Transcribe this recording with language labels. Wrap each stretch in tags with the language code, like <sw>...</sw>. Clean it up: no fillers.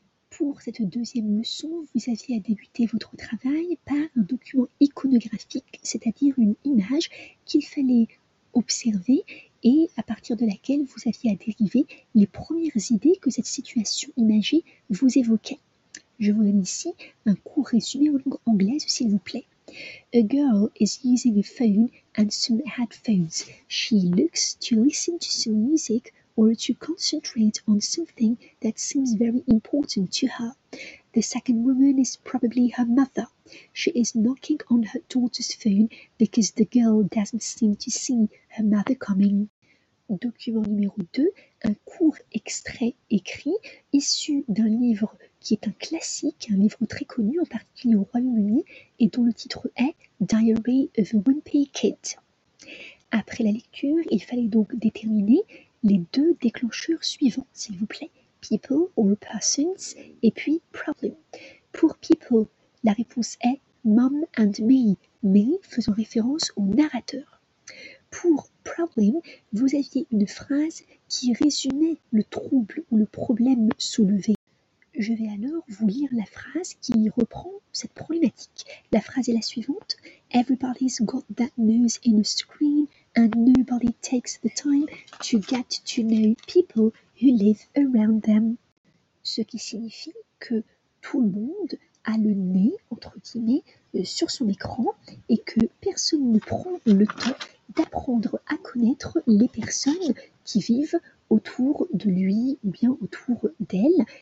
<fr>Pour cette deuxième leçon, vous aviez à débuter votre travail par un document iconographique, c'est-à-dire une image qu'il fallait observer et à partir de laquelle vous aviez à dériver les premières idées que cette situation imagée vous évoquait. Je vous donne ici un court résumé en langue anglaise, s'il vous plaît.</fr> <en>A girl is using a phone and some headphones. She looks to listen to some music or to concentrate on something that seems very important to her. The second woman is probably her mother. She is knocking on her daughter's phone because the girl doesn't seem to see her mother coming.</en> <fr>Document numéro 2, un court extrait écrit, issu d'un livre qui est un classique, un livre très connu, en particulier au Royaume-Uni, et dont le titre est Diary of a Wimpy Kid. Après la lecture, il fallait donc déterminer les deux déclencheurs suivants, s'il vous plaît.</fr> <en>People or persons,</en> <fr>et puis problem. Pour people, la réponse est</fr> <en>mom and me,</en> <fr>faisant référence au narrateur. Pour problem, vous aviez une phrase qui résumait le trouble ou le problème soulevé. Je vais alors vous lire la phrase qui reprend cette problématique. La phrase est la suivante.</fr> <en>Everybody's got that nose in a screen. And nobody takes the time to get to know people who live around them.</en> <fr>Ce qui signifie que tout le monde a le nez, entre guillemets, sur son écran et que personne ne prend le temps d'apprendre à connaître les personnes qui vivent autour de lui ou bien autour d'elle.</fr>